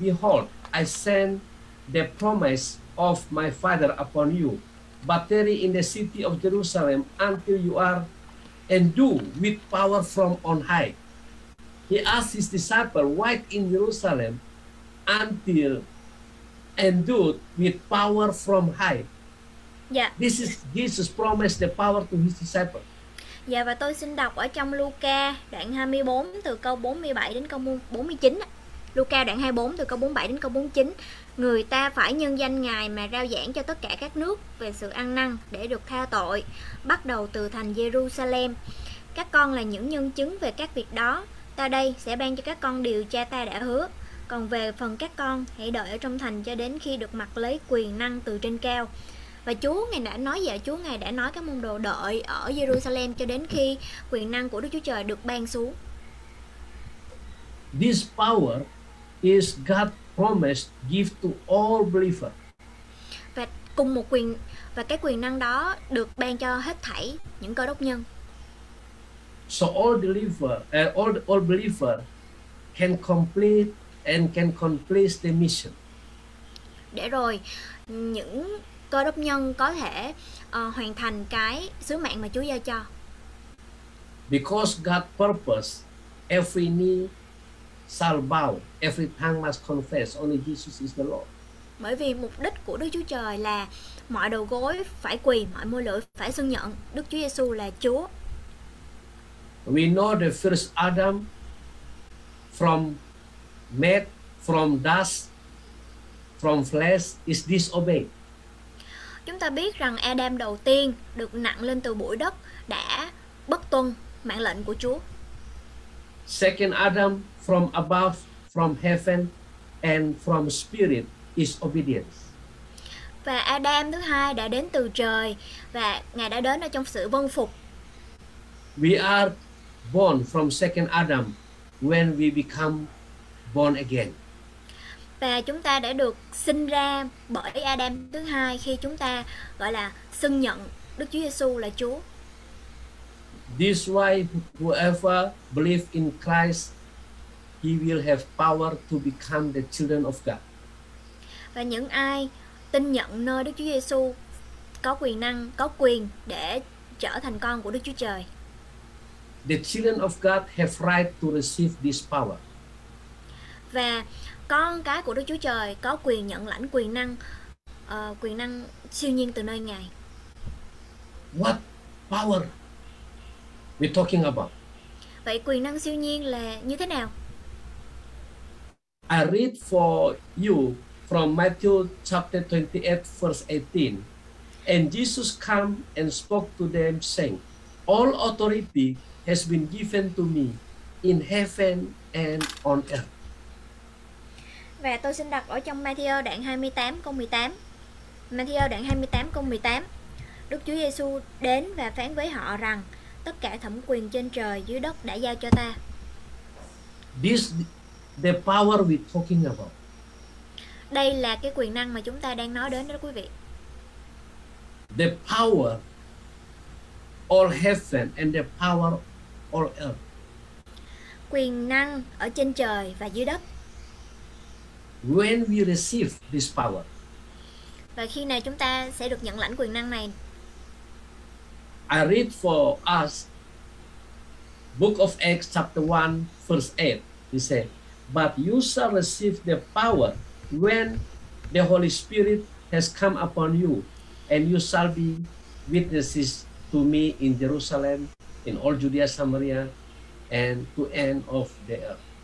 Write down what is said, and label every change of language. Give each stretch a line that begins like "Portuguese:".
English: Behold, I send the promise of my Father upon you, but tarry in the city of Jerusalem until you are endued with power from on high. He asked his disciples, wait in Jerusalem until endued with power from high. Yeah. This is Jesus promised the power to his disciples.
Vietnamese: Yeah, và tôi xin đọc ở trong Luca đoạn 24 từ câu 47 đến câu 49. Luca đoạn 24 từ câu 47 đến câu 49. Người ta phải nhân danh Ngài mà rao giảng cho tất cả các nước về sự ăn năn để được tha tội, bắt đầu từ thành Jerusalem. Các con là những nhân chứng về các việc đó. Ta đây sẽ ban cho các con điều cha ta đã hứa. Còn về phần các con, hãy đợi ở trong thành cho đến khi được mặc lấy quyền năng từ trên cao. Và Chúa Ngài đã nói vậy, Chúa Ngài đã nói các môn đồ đợi ở Jerusalem cho đến khi quyền năng của Đức Chúa Trời được ban xuống.
English: This power is God's promised gift to all believers.
Vietnamese: Và cùng một quyền và cái quyền năng đó được ban cho hết thảy những cơ đốc nhân.
English: So all believer can complete and can complete the mission.
Vietnamese: Để rồi những cơ đốc nhân có thể hoàn thành cái sứ mạng mà Chúa giao cho.
English: Because God purpose every knee shall bow, every tongue must confess only Jesus is the Lord.
Vietnamese: Bởi vì mục đích của Đức Chúa Trời là mọi đầu gối phải quỳ, mọi môi lưỡi phải xưng nhận Đức Chúa Giêsu là Chúa.
English: We know the first Adam made from dust, from flesh, is disobeyed.
Vietnamese: Chúng ta biết rằng Adam đầu tiên được nặng lên từ bụi đất đã bất tuân mạng lệnh của Chúa.
English: Second Adam from above, from heaven and from spirit is obedience.
Vietnamese: Và Adam thứ hai đã đến từ trời và Ngài đã đến ở trong sự vâng phục.
English: We are born from second Adam when we become born again.
Vietnamese: Và chúng ta đã được sinh ra bởi Adam thứ hai khi chúng ta gọi là xưng nhận Đức Chúa Giêsu là Chúa.
English: This why whoever believe in Christ, he will have power to become the children of God.
Vietnamese: Và những ai tin nhận nơi Đức Chúa Giêsu có quyền năng, có quyền để trở thành con của Đức Chúa Trời.
English: The children of God have right to receive this power.
Vietnamese: Và con cái của Đức Chúa Trời có quyền nhận lãnh quyền năng siêu nhiên từ nơi Ngài.
English: What power we talking about?
Vietnamese: Vậy quyền năng siêu nhiên là như thế nào?
English: I read for you from Matthew chapter 28 verse 18. And Jesus came and spoke to them saying, all authority has been given to me in heaven and on earth.
Vietnamese: Và tôi xin đọc ở trong Matthew đoạn 28 câu 18. Matthew đoạn 28 câu 18. Đức Chúa Giêsu đến và phán với họ rằng tất cả thẩm quyền trên trời dưới đất đã giao cho ta.
English: This the power we talking about.
Vietnamese: Đây là cái quyền năng mà chúng ta đang nói đến đó quý vị.
English: The power all heaven and the power all earth.
Vietnamese: Quyền năng ở trên trời và dưới đất.
English: When we receive this power.
Vietnamese: Và khi nào chúng ta sẽ được nhận lãnh quyền năng này?
English: I read for us Book of Acts chapter 1 verse 8. He said, but you shall receive the power when the Holy Spirit has come upon you, and you shall be witnesses to me in Jerusalem, in all Judea, Samaria, and to end of the earth.